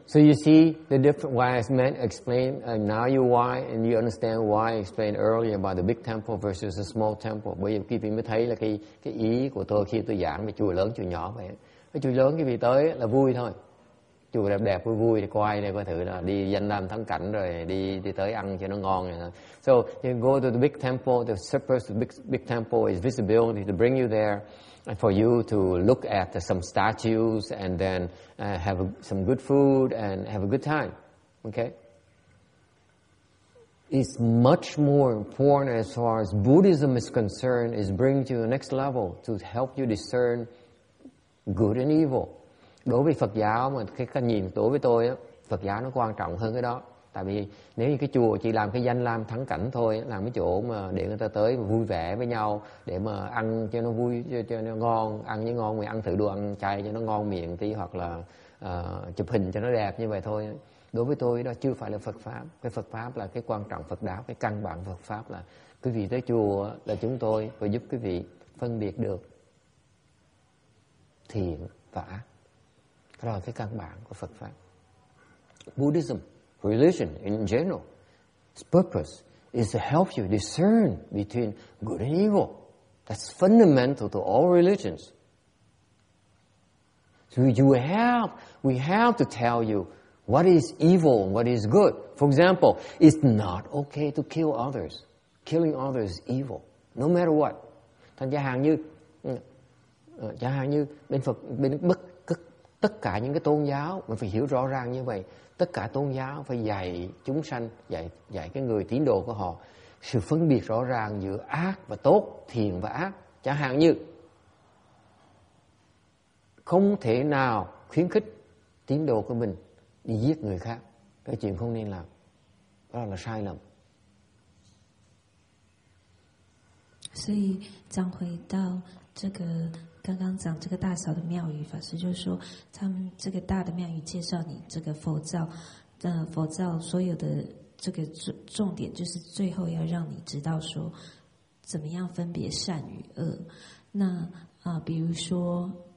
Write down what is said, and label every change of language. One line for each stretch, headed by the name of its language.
English: So you see the different wise men explain now you why and you understand why I explained earlier about the big temple versus the small temple.
Vietnamese: Bởi vì quý vị mới thấy là cái ý của tôi khi tôi giảng về chùa lớn chùa nhỏ vậy. Cái chùa lớn quý vị tới là vui thôi. Chùa đẹp đẹp vui thì quay đây coi thử là đi danh lam thắng cảnh rồi đi tới ăn cho nó ngon rồi.
English: So you go to the big temple, the supposed big temple is visibility to bring you there and for you to look at some statues and then have some good food and have a good time. Okay? It's much more important as far as Buddhism is concerned is bring you to the next level to help you discern good and evil.
Vietnamese: Đối với Phật giáo mà cái nhìn đối với tôi á, Phật giáo nó quan trọng hơn cái đó. Tại vì nếu như cái chùa chỉ làm cái danh lam thắng cảnh thôi, làm cái chỗ mà để người ta tới mà vui vẻ với nhau, để mà ăn cho nó vui, cho nó ngon, ăn như ngon mình ăn thử đồ ăn chay cho nó ngon miệng tí, hoặc là chụp hình cho nó đẹp như vậy thôi. Đối với tôi đó chưa phải là Phật Pháp. Cái Phật Pháp là cái quan trọng Phật đạo, cái căn bản Phật Pháp là quý vị tới chùa là chúng tôi và giúp quý vị phân biệt được thiện và ác. Là cái căn bản của Phật Pháp.
English: Buddhism, religion in general, its purpose is to help you discern between good and evil. That's fundamental to all religions. So we have to tell you what is evil and what is good. For example, it's not okay to kill others. Killing others is evil, no matter what.
Vietnamese: Thành ra hàng như, bên Phật, bên bất tất cả những cái tôn giáo mình phải hiểu rõ ràng như vậy, tất cả tôn giáo phải dạy chúng sanh, dạy cái người tín đồ của họ sự phân biệt rõ ràng giữa ác và tốt, thiện và ác. Chẳng hạn như không thể nào khuyến khích tín đồ của mình đi giết người khác, cái chuyện không nên làm, đó là sai lầm.
Chinese: 所以讲回到这个 刚刚讲这个大嫂的庙宇法师就说，他们这个大的庙宇介绍你这个佛教，佛教所有的这个重点就是最后要让你知道说怎么样分别善与恶。那比如说